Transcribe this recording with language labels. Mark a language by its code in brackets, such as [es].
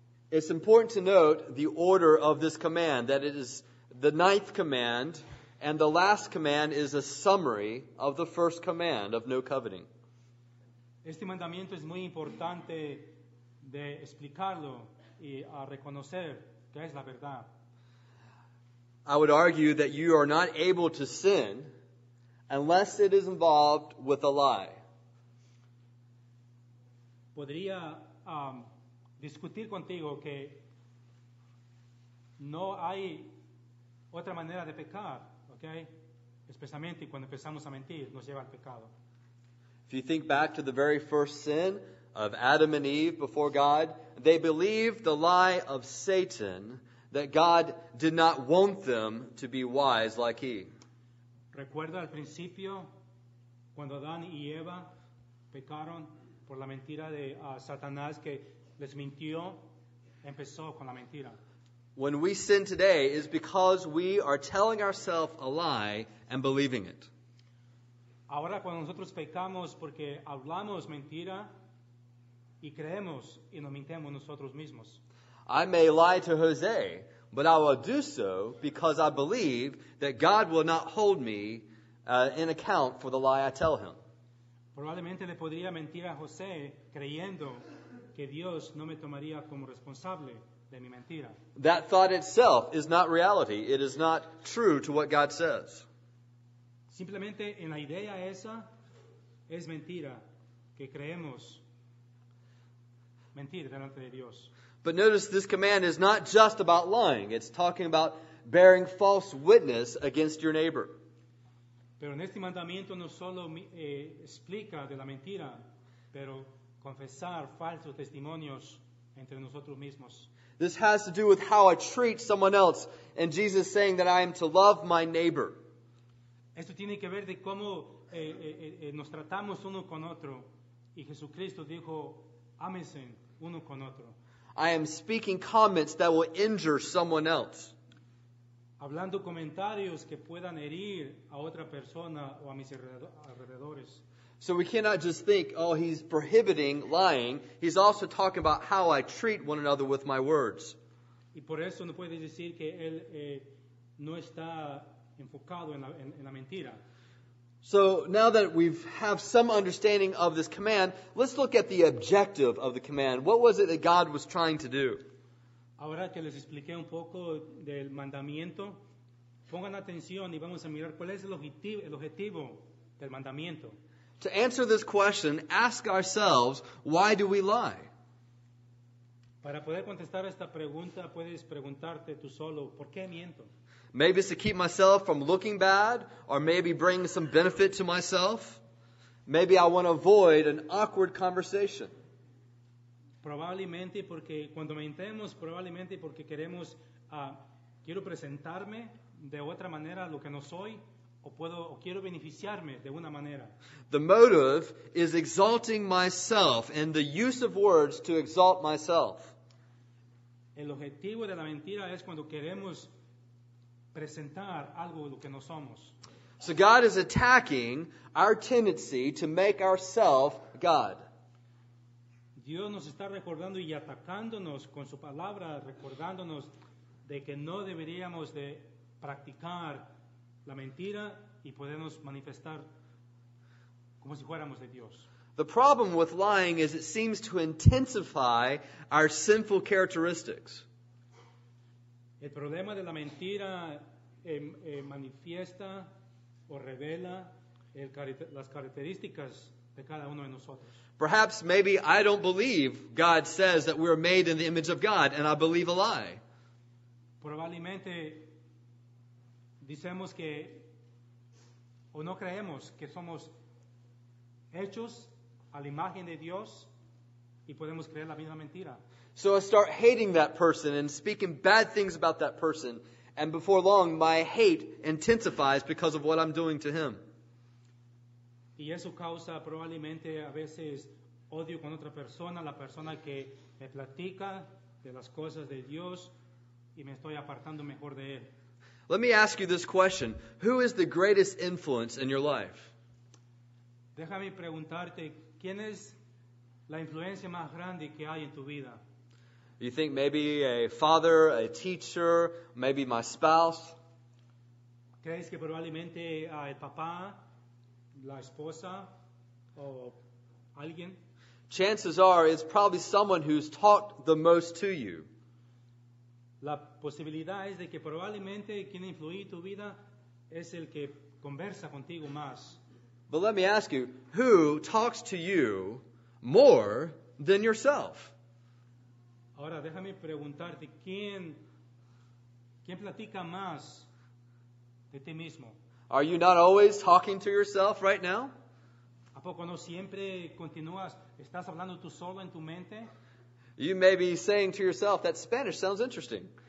[en] It's important to note the order of this command, that it is the ninth command, and the last command is a summary of the first command of no coveting. [es] Este mandamiento es muy importante de explicarlo y a reconocer que es la verdad. [en] I would argue that you are not able to sin unless it is involved with a lie. [es] Podría discutir contigo que no hay otra manera de pecar, okay? Especialmente cuando empezamos a mentir, nos lleva al pecado. [en] If you think back to the very first sin of Adam and Eve before God, they believed the lie of Satan that God did not want them to be wise like he. [es] Recuerda al principio cuando Adán y Eva pecaron por la mentira de Satanás que les mintió, empezó con la mentira. [en] When we sin today is because we are telling ourselves a lie and believing it. [es] Ahora cuando nosotros pecamos porque hablamos mentira y creemos y nos mintemos nosotros mismos. [en] I may lie to Jose, but I will do so because I believe that God will not hold me in account for the lie I tell him. [es] Probablemente le podría mentir a José creyendo que Dios no me tomaría como responsable. [en] That thought itself is not reality. It is not true to what God says. [es] Simplemente en la idea esa es mentira que creemos mentir delante de Dios. [en] But notice this command is not just about lying. It's talking about bearing false witness against your neighbor. [es] Pero en este mandamiento no solo explica de la mentira, pero confesar falsos testimonios entre nosotros mismos. [en] This has to do with how I treat someone else, and Jesus saying that I am to love my neighbor. [es] Esto tiene que ver de cómo nos tratamos uno con otro, y Jesucristo dijo, ámense uno con otro. [en] I am speaking comments that will injure someone else. [es] Hablando comentarios que puedan herir a otra persona o a mis alrededores. [en] So we cannot just think, oh, he's prohibiting lying. He's also talking about how I treat one another with my words. [es] Y por eso no puedes decir que él no está enfocado en la mentira. [en] So now that we've have some understanding of this command, let's look at the objective of the command. What was it that God was trying to do? [es] Ahora que les expliqué un poco del mandamiento, pongan atención y vamos a mirar cuál es el objetivo del mandamiento. [en] To answer this question, ask ourselves, why do we lie? [es] Para poder contestar esta pregunta, puedes preguntarte tú solo, ¿por qué miento? [en] Maybe it's to keep myself from looking bad, or maybe bring some benefit to myself. Maybe I want to avoid an awkward conversation. [es] Probablemente porque cuando mentemos, probablemente porque queremos, quiero presentarme de otra manera lo que no soy. O quiero beneficiarme de una manera. [en] The motive is exalting myself and the use of words to exalt myself. [es] El objetivo de la mentira es cuando queremos presentar algo de lo que no somos. [en] So God is attacking our tendency to make ourselves God. [es] Dios nos está recordando y atacándonos con su palabra, recordándonos de que no deberíamos de practicar la mentira y podernos manifestar como si fuéramos de Dios. [en] The problem with lying is it seems to intensify our sinful characteristics. [es] El problema de la mentira manifiesta o revela las características de cada uno de nosotros. [en] Perhaps maybe I don't believe God says that we are made in the image of God and I believe a lie. [es] Probablemente dicemos que o no creemos que somos hechos a la imagen de Dios y podemos creer la misma mentira. [en] So I start hating that person and speaking bad things about that person, and before long my hate intensifies because of what I'm doing to him. [es] Y eso causa probablemente a veces odio con otra persona, la persona que me platica de las cosas de Dios y me estoy apartando mejor de él. [en] Let me ask you this question. Who is the greatest influence in your life? [es] Déjame preguntarte, ¿quién es la influencia más grande que hay en tu vida? [en] You think maybe a father, a teacher, maybe my spouse? [es] ¿Crees que probablemente el papá, la esposa, o alguien? [en] Chances are it's probably someone who's taught the most to you. [es] La posibilidad es de que probablemente quien influye en tu vida es el que conversa contigo más. [en] But let me ask you, who talks to you more than yourself? [es] Ahora déjame preguntarte, ¿quién platica más de ti mismo? [en] Are you not always talking to yourself right now? [es] ¿A poco no siempre continúas, estás hablando tú solo en tu mente? [en] You may be saying to yourself, that Spanish sounds interesting.